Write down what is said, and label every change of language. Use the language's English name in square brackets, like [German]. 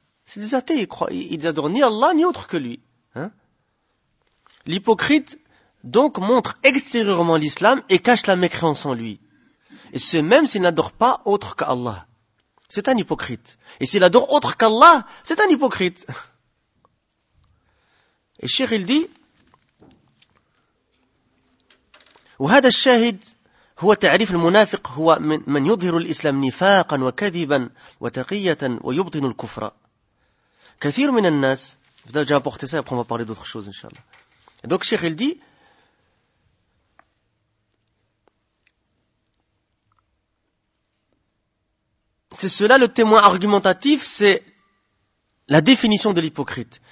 [French] C'est des athées, ils adorent ni Allah, ni autre que lui. Hein? L'hypocrite, donc, montre extérieurement l'islam et cache la mécréance en lui. Et ce même s'il n'adore pas autre qu'Allah. C'est un hypocrite. Et s'il adore autre qu'Allah, c'est un hypocrite. Et Cheikh, il dit, [Arabic] وهذا الشاهد هو تعريف المنافق هو من يظهر الإسلام نفاقا وكذبا وتقية ويبطن الكفر. كثير من الناس. [French] J'ai apporté ça, après on va parler d'autres choses, inshallah. Et donc Cheikh, il dit, c'est cela le témoin argumentatif, c'est la définition de l'hypocrite.